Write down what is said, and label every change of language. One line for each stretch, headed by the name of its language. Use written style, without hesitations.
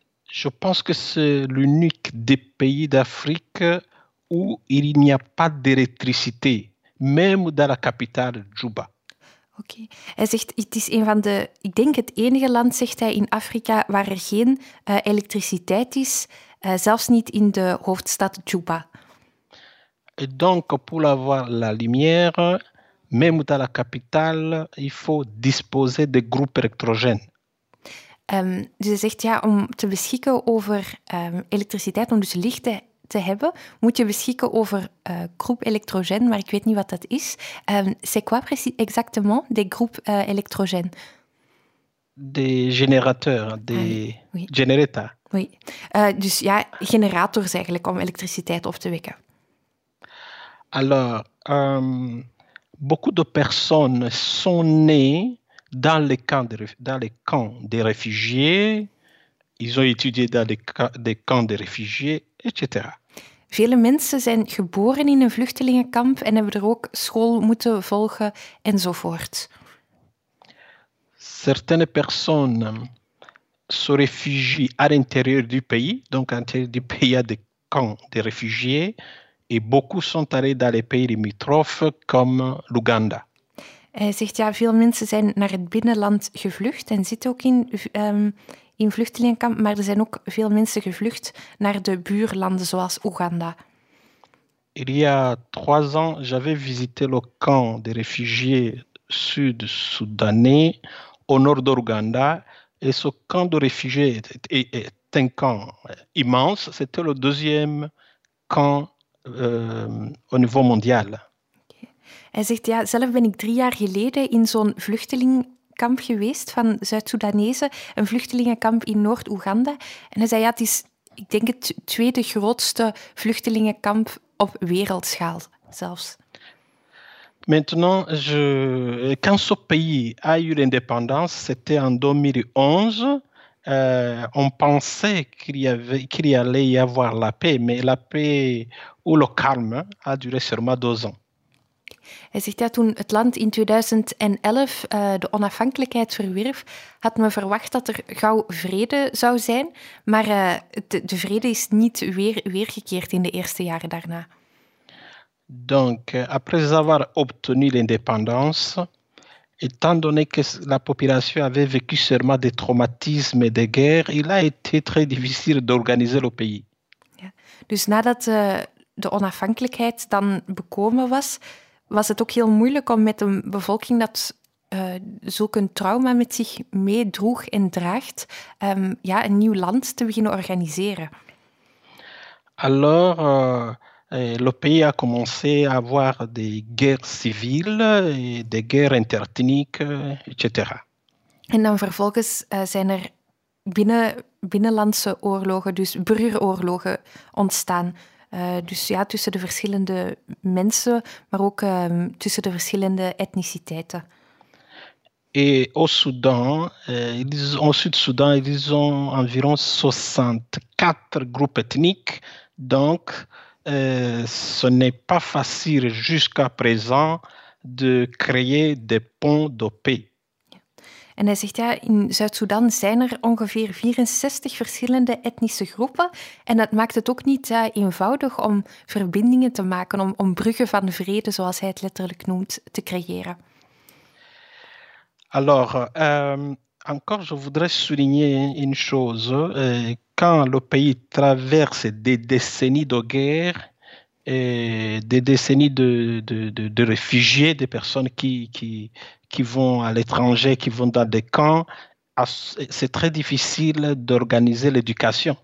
French: Je pense que c'est l'unique des pays d'Afrique où il n'y a pas d'électricité, même dans la capitale Djouba.
Dutch: Oké. Hij zegt, het is een van de, ik denk het enige land, zegt hij, in Afrika waar er geen elektriciteit is. Zelfs niet in de hoofdstad Djouba.
French: Donc pour avoir la lumière, même dans la capitale, il faut disposer de groupes électrogènes.
Dutch: Dus hij zegt, ja, om te beschikken over elektriciteit, om dus licht te hebben, moet je beschikken over groupe électrogène, maar ik weet niet wat dat is.
French: C'est quoi precies exactement des groupes électrogènes? Des générateurs, des generata. Oui.
Dutch: Dus ja, generators eigenlijk om elektriciteit op te wekken.
French: Alors, beaucoup de personnes sont nées dans les camps des réfugiés. Ils ont étudié dans des camps de réfugiés, etc.
Dutch: Vele mensen zijn geboren in een vluchtelingenkamp en hebben er ook school moeten volgen enzovoort.
French: Certaines personnes se réfugient à l'intérieur du pays, donc à l'intérieur du pays il y a des camps de réfugiés et beaucoup sont allés dans les pays limitrophes comme l'Ouganda.
Dutch: Hij zegt ja, veel mensen zijn naar het binnenland gevlucht en zitten ook in vluchtelingenkamp, maar er zijn ook veel mensen gevlucht naar de buurlanden zoals Oeganda.
French: Il y a 3 ans, j'avais visité le camp des réfugiés sud-soudanais au nord d'Ouganda. Et ce camp de réfugiés est un camp immense. C'était le deuxième camp au niveau mondial.
Dutch: Hij zegt, ja, zelf ben ik 3 jaar geleden in zo'n vluchtelingenkamp geweest van Zuid-Soedanese, een vluchtelingenkamp in Noord-Oeganda. En hij zei, ja, het is, ik denk, het tweede grootste vluchtelingenkamp op wereldschaal zelfs.
French: Maintenant, quand ce pays a eu l'indépendance, c'était en 2011, on pensait qu'il allait y avoir la paix, mais la paix ou le calme a duré seulement 2 ans.
Dutch: Hij zegt dat toen het land in 2011 de onafhankelijkheid verwierf, had men verwacht dat er gauw vrede zou zijn, maar de vrede is niet weergekeerd in de eerste jaren daarna.
French: Donc, après avoir obtenu l'indépendance, étant donné que la population avait vécu seulement des traumatismes et des guerres, il a été très difficile d'organiser le pays.
Dutch: Ja. Dus nadat de onafhankelijkheid dan bekomen was, was het ook heel moeilijk om met een bevolking dat zulk een trauma met zich meedroeg en draagt, een nieuw land te beginnen organiseren.
French: Alors, le pays a commencé à avoir des guerres civiles, des guerres interethniques, etc.
Dutch: En dan vervolgens zijn er binnenlandse oorlogen, dus burgeroorlogen, ontstaan. Tussen de verschillende mensen, maar ook tussen de verschillende etniciteiten.
French: Et au Soudan, au Sud-Soudan, ils ont environ 64 groupes ethniques, donc ce n'est pas facile jusqu'à présent de créer des ponts de paix.
Dutch: En hij zegt, ja, in Zuid-Soedan zijn er ongeveer 64 verschillende etnische groepen en dat maakt het ook niet eenvoudig om verbindingen te maken, om bruggen van vrede, zoals hij het letterlijk noemt, te creëren.
French: Alors, encore je voudrais souligner une chose. Quand le pays traverse des décennies de guerre, des décennies de réfugiés, des personnes qui vont à l'étranger, qui vont dans des camps, c'est très difficile d'organiser l'éducation.